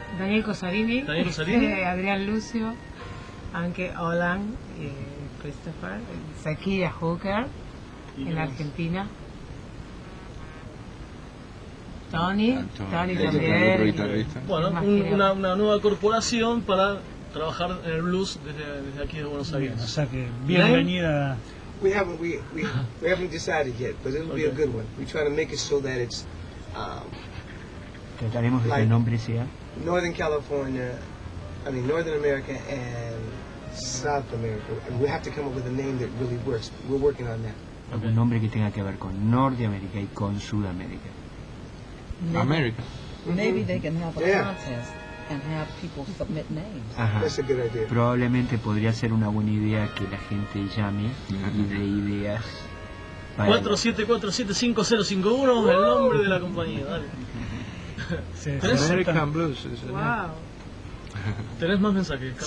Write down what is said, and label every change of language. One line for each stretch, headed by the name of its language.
Spanish: Daniel Cosarini, Adrián Lucio, Anke Olan, Christopher, Zakiya Hooker, en Argentina. Tony también. Bueno, una nueva corporación para trabajar en el blues desde aquí de Buenos Aires. Bien, o sea que bienvenida.
English: We haven't decided yet, but it'll be a good one. We try to make it so that it's
Spanish: trataremos de que el nombre sea
English: Northern California, I mean Northern America and South America. I mean, we have to come up with a name that really works. We're working on that. Okay.
Spanish: Un nombre que tenga que ver con Norteamérica y con Sudamérica.
English: America. Maybe they can have a contest and have people submit names.
Spanish: Ajá.
English: That's a good idea.
Spanish: Probablemente podría ser una buena idea que la gente llame y dé ideas. 4747-5051, el nombre de la compañía. Dale. Sí, American Blues.
English: Wow.
Spanish: ¿Tenés más mensajes, Carlos?